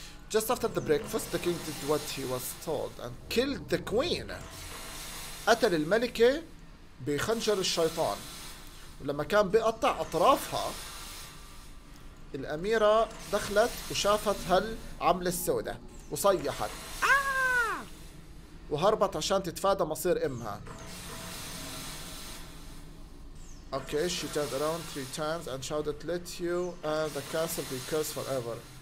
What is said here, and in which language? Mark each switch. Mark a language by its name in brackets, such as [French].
[English] Just after the breakfast the king did what he was told and killed the queen. [Arabic] قتل الملكة بخنجر الشيطان. لما كان بيقطع أطرافها الأميرة دخلت وشافت هالعملة السوداء وصيحت وهربت عشان تتفادى مصير أمها. [English] Okay, she turned around three times and shouted, "Let you and the castle be cursed forever."